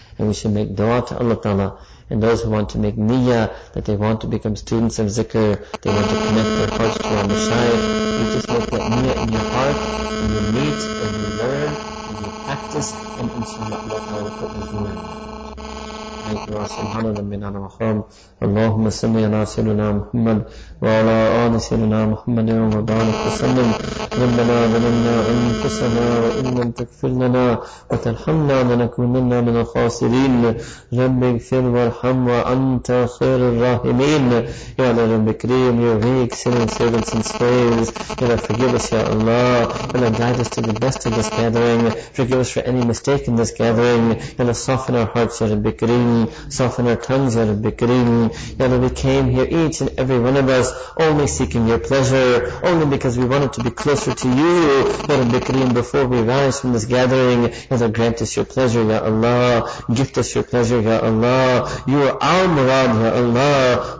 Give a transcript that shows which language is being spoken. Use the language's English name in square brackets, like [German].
[English] And we should make dua to Allah Ta'ala. And those who want to make niyyah, that they want to become students of zikr, they want to connect their hearts to our Mashayikh, you just make that niyyah in your heart, and you meet, and you learn, and you practice, and inshallah Allah Ta'ala will put you through. [Arabic] سبحان الله من الرحم اللهم صل على سيدنا محمد وعلى آل سيدنا محمد وبارك وسلم ربنا ظلمنا أنفسنا وإن لم تغفر لنا وترحمنا لنكونن من الخاسرين رب اغفر وارحم وأنت خير الراحمين يا رب كريم يا ويك سيدنا سيدنا سيدنا سيدنا يا رب [English] forgive us [Arabic] يا الله يا رب [English] guide us to the best of this gathering forgive us for any mistake in this gathering [Arabic] يا رب [English] soften our hearts [Arabic] يا رب كريم [English] soften our tongues out of bickering. Ya Rabbi, came here each and every one of us only seeking your pleasure, only because we wanted to be closer to you. Ya Rabbi Kareem, before we rise from this gathering, Ya Rabbi, grant us your pleasure, Ya Allah. Gift us your pleasure, Ya Allah. You are our murad, Ya Allah.